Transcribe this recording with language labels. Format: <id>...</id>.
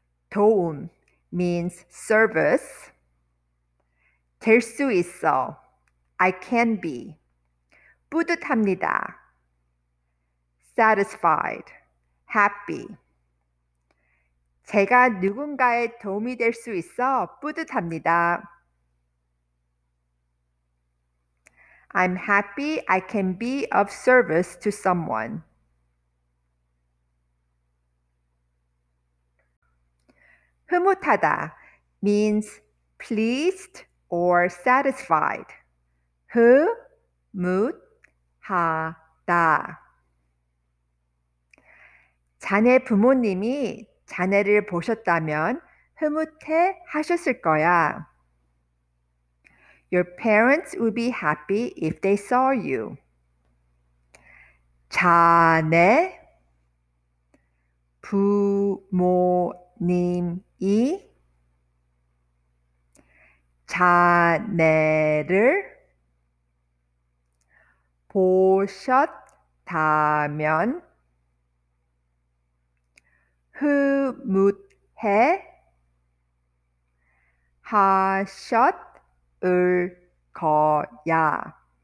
<en>도움 means service.</en> <ko>될 수 있어,</ko> <en>I can be. 뿌듯합니다, satisfied, happy.</en> <ko>제가 누군가의 도움이 될 수 있어 뿌듯합니다.</ko> <en>I'm happy I can be of service to someone. 흐뭇하다 means pleased or satisfied.</en> <ko>흐뭇하다. 자네 부모님이 자네를 보셨다면 흐뭇해 하셨을 거야.</ko> <en>Your parents would be happy if they saw you.</en> <ko>자네 부모님이 자네를 보셨다면 흐뭇해 하셨을 거야.</ko>